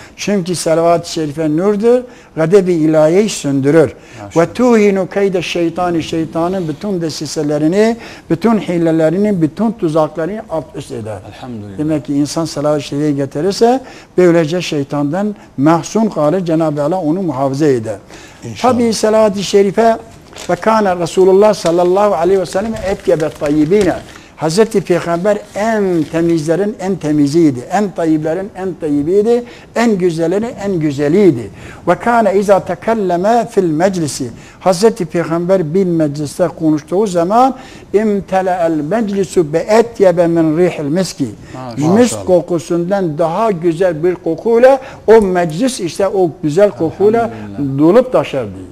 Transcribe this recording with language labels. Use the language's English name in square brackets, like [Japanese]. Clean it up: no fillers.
[Turkish] Çünkü salavat-ı şerife nurdur. Gadebi ilahiyeyi söndürür. [Arabic] Ve tuhinu keyde şeytani. [Turkish] Şeytanın bütün desiselerini, bütün hilelerini, bütün tuzaklarını alt üst eder. Elhamdülillah. Demek ki insan salavat-ı şerifeyi getirirse böylece şeytandan mahzun kalır. Cenab-ı Allah onu muhafaza eder. İnşallah. Tabii salavat-ı şerife [Arabic] فَكَانَ رَسُولُ اللّٰهِ صَلَى اللّٰهُ عَلَيْهِ وَسَلَمَ اَتْيَبَ الطَّيِّب۪ينَ Hz. [Turkish] Peygamber en temizlerin en temiziydi. En tayyiblerin en tayyibiydi. En güzellerin en güzeliydi. [Arabic] وَكَانَ اِذَا تَكَلَّمَا فِي الْمَجْلِسِ Hz. [Turkish] Peygamber bir mecliste konuştuğu zaman [Arabic] اِمْتَلَأَ الْمَجْلِسُ بَاَتْيَبَ مِنْ رِيحِ الْمِسْكِ [Turkish] Misk kokusundan daha güzel bir kokuyla o meclis işte o güzel kokuyla dolup taşardı.